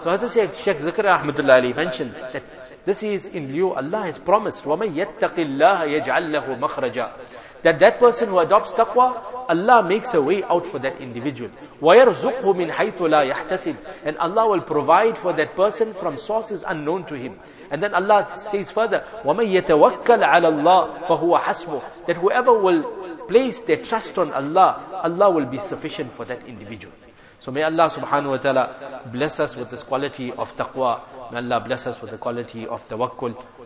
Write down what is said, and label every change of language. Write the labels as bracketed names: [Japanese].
[English] So as I said, Shaykh Zakaria Ahmadullah Ali mentions that this is in lieu. Allah has promised, [Arabic] وَمَن يَتَّقِ اللَّهَ يَجْعَلْ لَهُ مَخْرَجًا. [English] that that person who adopts taqwa, Allah makes a way out for that individual. [Arabic] وَيَرْزُقْهُ مِنْ حَيْثُ لَا يَحْتَسِبْ. [English] And Allah will provide for that person from sources unknown to him. And then Allah says further, [Arabic] وَمَنْ يَتَوَكَّلْ عَلَى اللَّهِ فَهُوَ حَسْبُهُ. [English] That whoever will place their trust on Allah, Allah will be sufficient for that individual. So may Allah subhanahu wa ta'ala bless us with this quality of taqwa. May Allah bless us with the quality of tawakkul.